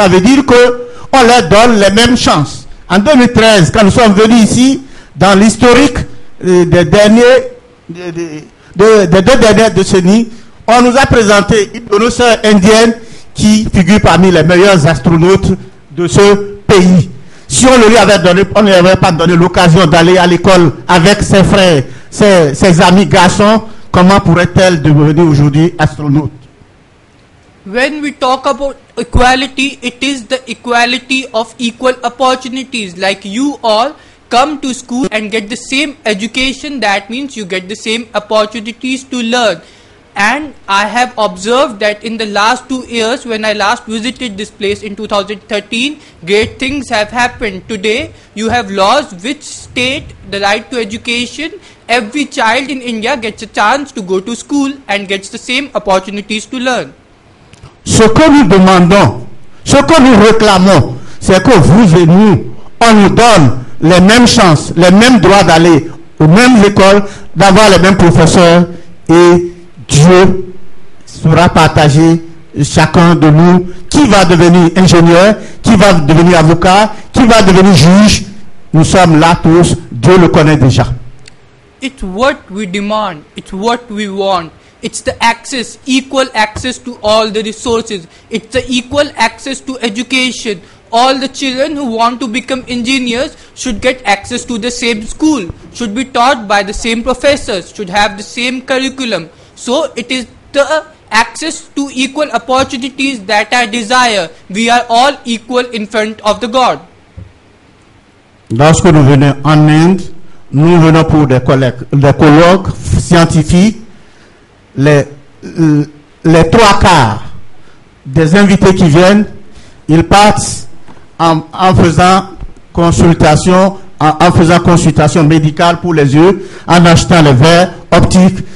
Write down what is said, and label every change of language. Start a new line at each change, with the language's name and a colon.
French: Ça veut dire que on leur donne les mêmes chances. En 2013, quand nous sommes venus ici, dans l'historique des derniers de deux dernières décennies, on nous a présenté une sœur indienne qui figure parmi les meilleurs astronautes de ce pays. Si on lui avait donné, on ne lui avait pas donné l'occasion d'aller à l'école avec ses frères, ses amis garçons, comment pourrait-elle devenir aujourd'hui astronaute?
English: When we talk about equality, it is the equality of equal opportunities. Like you all come to school and get the same education, that means you get the same opportunities to learn. And I have observed that in the last 2 years, when I last visited this place in 2013, great things have happened. Today, you have laws which state the right to education. Every child in India gets a chance to go to school and gets the same opportunities to learn.
French: Ce que nous demandons, ce que nous réclamons, c'est que vous et nous, on nous donne les mêmes chances, les mêmes droits d'aller aux mêmes écoles, d'avoir les mêmes professeurs, et Dieu sera partagé chacun de nous qui va devenir ingénieur, qui va devenir avocat, qui va devenir juge. Nous sommes là tous, Dieu le connaît déjà.
English: It's what we demand, it's what we want. It's the access, equal access to all the resources. It's the equal access to education. All the children who want to become engineers should get access to the same school, should be taught by the same professors, should have the same curriculum. So it is the access to equal opportunities that I desire. We are all equal in front of the God.
French: Lorsque nous venons en Inde, nous venons pour des collègues, des colloques scientifiques. Les trois quarts des invités qui viennent, ils partent en faisant consultation médicale pour les yeux, en achetant les verres optiques.